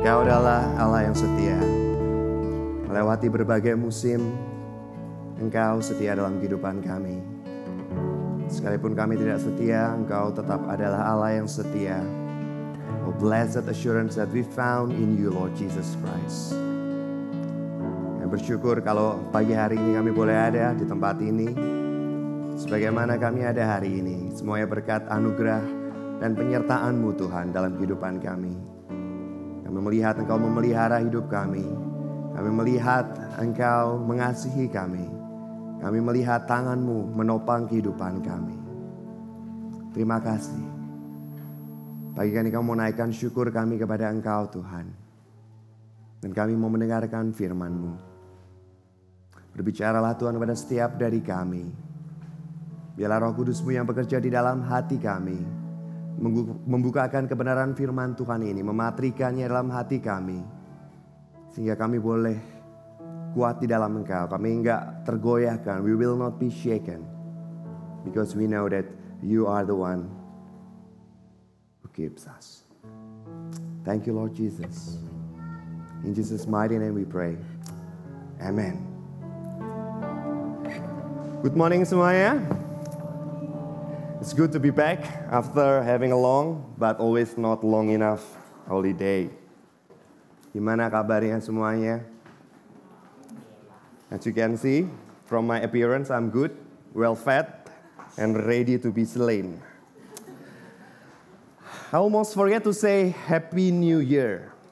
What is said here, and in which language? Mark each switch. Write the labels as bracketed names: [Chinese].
[Indonesian] adalah Allah yang setia. Melewati berbagai musim, Engkau setia dalam kehidupan kami. Sekalipun kami tidak setia, Engkau tetap adalah Allah yang setia. [English] Oh, blessed assurance that we found in you, Lord Jesus Christ. [Indonesian] Dan bersyukur kalau pagi hari ini kami boleh ada di tempat ini, sebagaimana kami ada hari ini. Semuanya berkat anugerah dan penyertaan-Mu Tuhan dalam kehidupan kami. Kami melihat Engkau memelihara hidup kami. Kami melihat Engkau mengasihi kami. Kami melihat tangan-Mu menopang kehidupan kami. Terima kasih. Pagi ini kami mau naikkan syukur kami kepada Engkau Tuhan. Dan kami mau mendengarkan firman-Mu. Berbicaralah Tuhan kepada setiap dari kami. Biarlah Roh Kudus-Mu yang bekerja di dalam hati kami. Membukakan kebenaran firman Tuhan ini. Mematrikannya dalam hati kami. Sehingga kami boleh kuat di dalam Engkau. Kami enggak tergoyahkan. [English] We will not be shaken. Because we know that you are the one who keeps us. Thank you Lord Jesus. In Jesus' mighty name we pray. Amen. Good morning semuanya. It's good to be back after having a long, but always not long enough holiday. [Indonesian] Gimana kabarnya semuanya? [English] As you can see, from my appearance, I'm good, well fed, and ready to be slain. I almost forget to say Happy New Year.